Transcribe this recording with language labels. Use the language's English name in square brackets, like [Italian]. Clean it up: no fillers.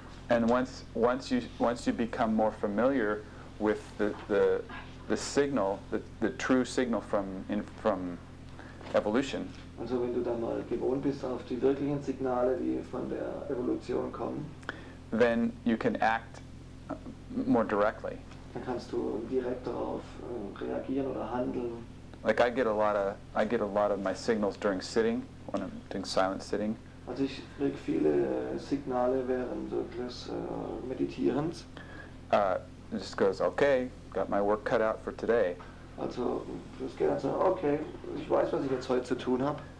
[English] And once you become more familiar with the signal, the true signal from evolution. [German] Also wenn du dann mal gewohnt bist auf die wirklichen Signale, die von der Evolution kommen, [English] then you can act more directly. [German] Dann kannst du direkt darauf reagieren oder handeln. [English] Like I get a lot of my signals during sitting, when I'm doing silent sitting. [German] Also ich krieg viele Signale während des Meditierens. [English] It just goes, okay, got my work cut out for today. [German] Also es geht also, okay, ich weiß, was ich jetzt heute zu tun habe.